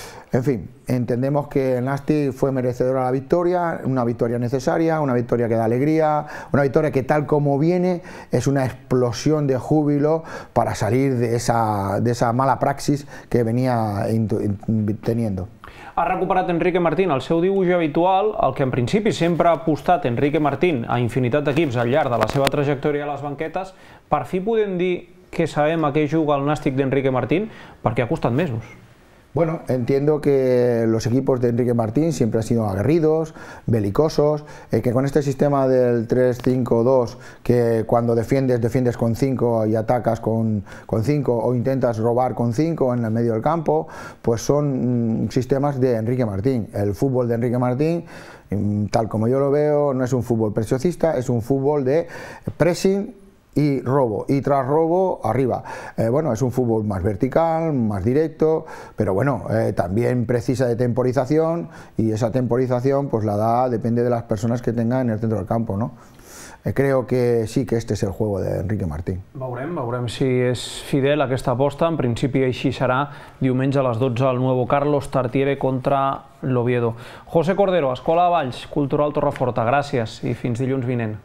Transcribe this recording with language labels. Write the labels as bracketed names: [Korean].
[Spanish] En fin, entendemos que el Nasti fue merecedor a la victoria, una victoria necesaria, una victoria que da alegría, una victoria que tal como viene es una explosión de júbilo para salir de esa mala praxis que venía teniendo. [Catalan] Ha recuperat Enrique Martín el seu dibuix habitual, el que en principi sempre ha apostat Enrique Martín a infinitat d'equips al llarg de la seva trajectòria a les banquetes. Per fi podem dir que sabem a què juga el Nàstic d'Enrique Martín, perquè ha costat mesos. [Spanish] Bueno, entiendo que los equipos de Enrique Martín siempre han sido aguerridos, belicosos, que con este sistema del 3-5-2, que cuando defiendes, defiendes con 5 y atacas con 5 o intentas robar con 5 en el medio del campo, pues son sistemas de Enrique Martín. El fútbol de Enrique Martín, tal como yo lo veo, no es un fútbol preciosista, es un fútbol de pressing y robo, y tras robo, arriba. Bueno, es un fútbol más vertical, más directo, pero bueno, también precisa de temporización, y esa temporización pues la da, depende de las personas que tenga en el centro del campo, ¿no? Creo que sí que este es el juego de Enrique Martín. [Catalan] Veurem si és fidel aquesta aposta. En principi així serà diumenge a les 12 el nuevo Carlos Tartiere contra l'Oviedo. José Cordero, Escola de Valls, Cultural Torreforta, gràcies i fins dilluns vinent.